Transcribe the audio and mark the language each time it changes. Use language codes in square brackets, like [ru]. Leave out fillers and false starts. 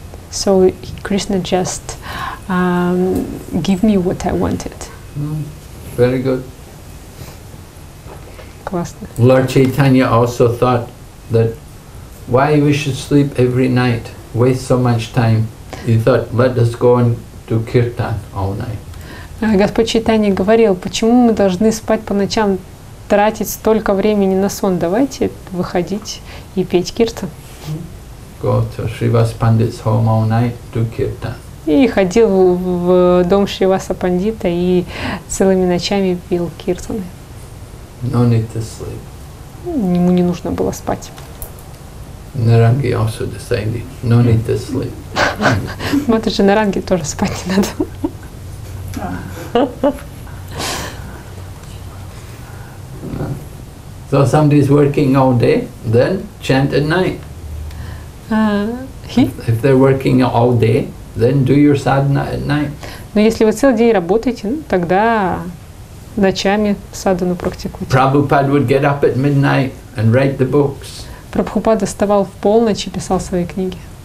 [en] So Krishna just give me what I wanted. Mm, very good. [ru] Классно. [en] Lord Chaitanya also thought that why we should sleep every night, waste so much time. He thought, let us go and do kirtan all night. [ru] Господь Чайтанья говорил, почему мы должны спать по ночам, тратить столько времени на сон? Давайте выходить и петь киртан. [en] Go to Shrivas Pandit's home all night, do kirtan. [ru] И ходил в дом Шриваса Пандита и целыми ночами пил киртаны. [en] No need to sleep. [ru] Ему не нужно было спать. [en] Наранги also decided, no need to sleep. [ru] Матаджи Наранги тоже спать не надо. [en] So somebody is working all day, then chant at night. If they're working all day, then do your sadhana at night. [ru] Но если вы целый день работаете, тогда ночами садхану практикуйте. [en] Prabhupada would get up at midnight and write the books. [ru] Прабхупада вставал в полночь и писал свои книги.